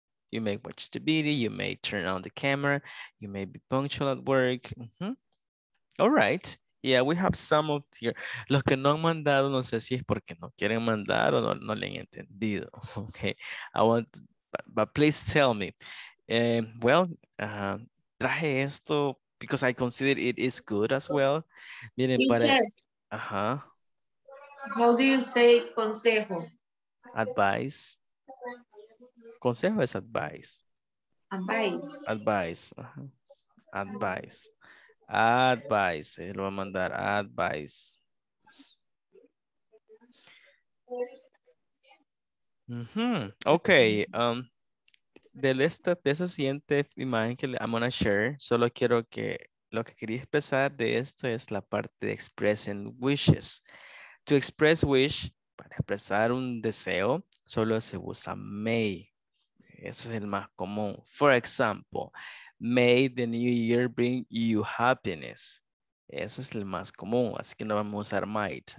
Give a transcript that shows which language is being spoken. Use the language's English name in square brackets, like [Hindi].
[English] You may watch the video, you may turn on the camera, you may be punctual at work. Mm-hmm. All right. Yeah, we have some of here. [Spanish] Los que no han mandado, no sé si es porque no quieren mandar o no le han entendido. [English] Okay, I want, but please tell me. [Spanish] Traje esto [English] because I consider it is good as well. [Spanish] Miren, para. Ajá. [English] How do you say consejo? [Spanish] Advice. Consejo es advice. [English] Advice. [Spanish] Uh-huh. Advice, lo va a mandar, advice. Mm-hmm. Okay, de esa siguiente imagen que [English] I'm gonna share, [Spanish] solo quiero que, lo que quería expresar de esto es la parte de expressing wishes. [English] To express wish, [Spanish] para expresar un deseo, solo se usa may. Ese es el más común. [English] For example, may the new year bring you happiness. [Spanish] Ese es el más común, así que no vamos a usar might.